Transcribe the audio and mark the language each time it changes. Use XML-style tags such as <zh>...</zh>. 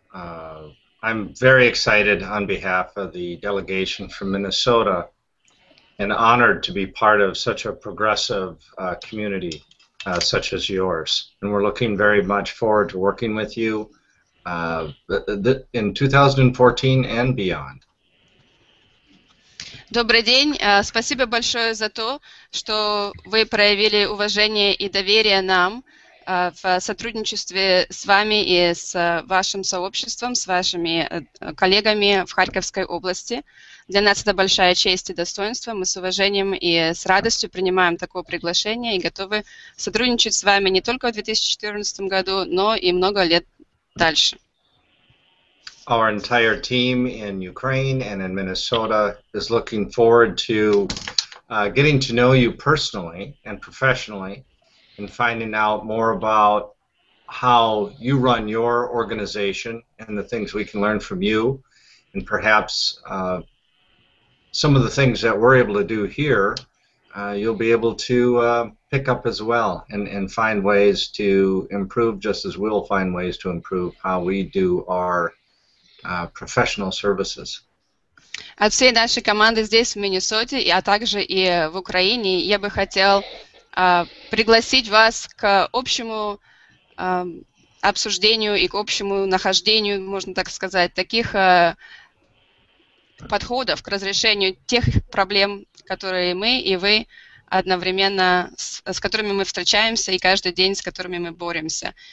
<en>I'm very excited on behalf of the delegation from Minnesota and honored to be part of such a progressive community such as yours. And we're looking very much forward to working with you in 2014 and beyond.</en> <ru>Добрый день. Спасибо большое за то, что вы проявили уважение и доверие нам в сотрудничестве с вами и с вашим сообществом, с вашими коллегами в Харьковской области. Для нас это большая честь и достоинство. Мы с уважением и с радостью принимаем такое приглашение и готовы сотрудничать с вами не только в 2014 году, но и много лет дальше.</ru> <en>Our entire team in Ukraine and in Minnesota is looking forward to getting to know you personally and professionally and finding out more about how you run your organization and the things we can learn from you and perhaps some of the things that we're able to do here you'll be able to pick up as well and find ways to improve just as we'll find ways to improve how we do our professional services.</en> <ru>От всей нашей команды здесь, в Миннесоте, а также и в Украине, я бы хотел пригласить вас к общему обсуждению и к общему нахождению, можно так сказать, таких подходов к разрешению тех проблем, которые мы и вы одновременно, с которыми мы встречаемся и каждый день, с которыми мы боремся.</ru>